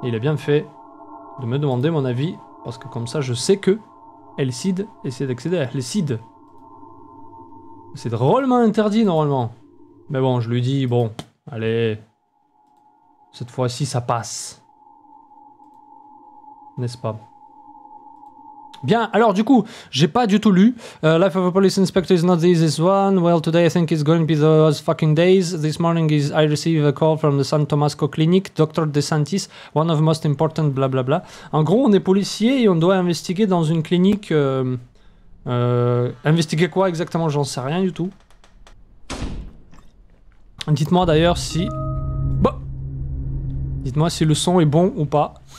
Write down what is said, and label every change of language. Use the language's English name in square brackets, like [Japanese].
[French] Il a bien fait de me demander mon avis, parce que comme ça, je sais que Hellseed essaie d'accéder à Hellseed. C'est drôlement interdit, normalement. Mais bon, je lui dis, bon, allez. Cette fois-ci, ça passe. N'est-ce pas? Bien, alors du coup, j'ai pas du tout lu. [English] Life of a police inspector is not the easiest one. Well, today I think it's going to be those fucking days. This morning is I received a call from the San Tomasco Clinic. Dr. DeSantis, one of the most important, bla bla bla. [French] En gros, on est policier et on doit investiguer dans une clinique. Investiguer quoi exactement? J'en sais rien du tout. Dites-moi d'ailleurs si... Bon. Dites-moi si le son est bon ou pas.